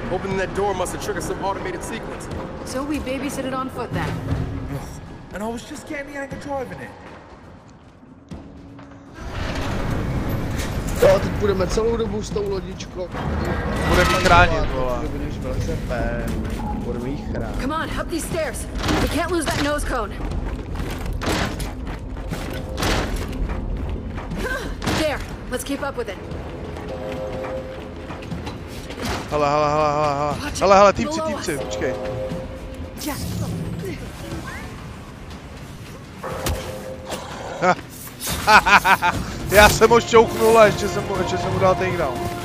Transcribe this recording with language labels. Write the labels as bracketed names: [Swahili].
[English] Opening that door must have triggered some automated sequence. So we babysit it on foot then. And I was just getting the anchor driving it. [Czech] Jo, teď půjdeme celou dobu s tou lodičkou. Budeme jí chránit, vole. Budeme jí chránit. [English] Come on, up these stairs. We can't lose that nose cone. There, let's keep up with it. Hala, hala, hala, hala, hala. [Czech] Hala, hala, týmci, týmci, počkej. Ha. Já jsem ho šťouknul a ještě jsem mu dal takedown.